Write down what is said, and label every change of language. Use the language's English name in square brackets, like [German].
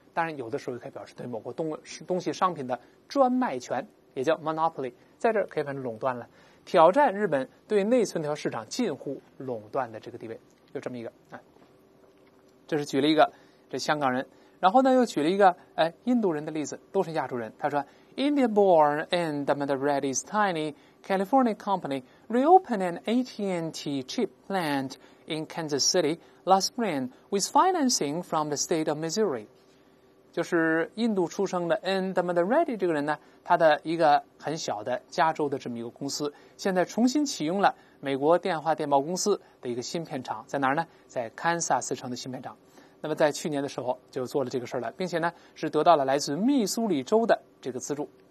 [Chinese] 当然有的时候也可以表示对某个东西商品的专卖权，也叫 monopoly, 在这儿可以翻译垄断了，挑战日本对内存条市场近乎垄断的这个地位，就这么一个。这是举了一个这香港人，然后呢又举了一个印度人的例子，都是亚洲人。 [English] 他说 India born and Madhuradi's tiny California company reopened an AT&T chip plantIn Kansas City last spring with financing from the state of Missouri. [Chinese] 就是印度出生的 And Madhuradi 这个人呢，他的一个很小的加州的这么一个公司，现在重新启用了美国电话电报公司的一个芯片厂，在哪儿呢？在 Kansas 城的芯片厂。那么在去年的时候就做了这个事了，并且呢是得到了来自密苏里州的这个资助。